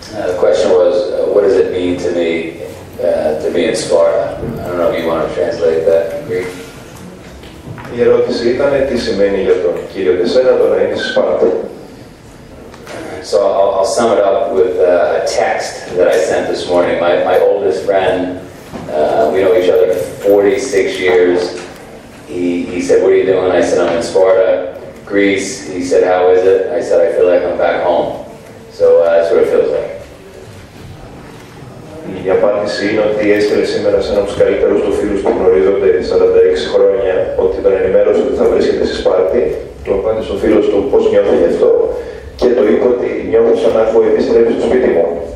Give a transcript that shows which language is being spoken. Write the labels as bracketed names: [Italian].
[English] The question was, what does it mean to me to be in Sparta? I don't know if you want to translate that in Greek. [Greek] Η ερώτηση ήταν τι σημαίνει για τον κύριο Δεσένα το να είναι Σπάρτη. [English] So I'll sum it up with a text that I sent this morning. My oldest friend, we know each other 46 years. He said, what are you doing? I said, I'm in Sparta, Greece. He said, how is it? I said, I feel like I'm back home. So that's what it feels like. [Greek] Η απάντηση είναι ότι έστειλε σήμερα σε έναν από τους καλύτερους του φίλους που γνωρίζονται 46 χρόνια ότι τον ενημέρωσε ότι θα βρίσκεται σε Σπάρτη. Του απάντησε ο φίλος του πώς νιώθει γι' αυτό και του είπε ότι νιώθω σαν να έχω επιστρέψει στο σπίτι μου.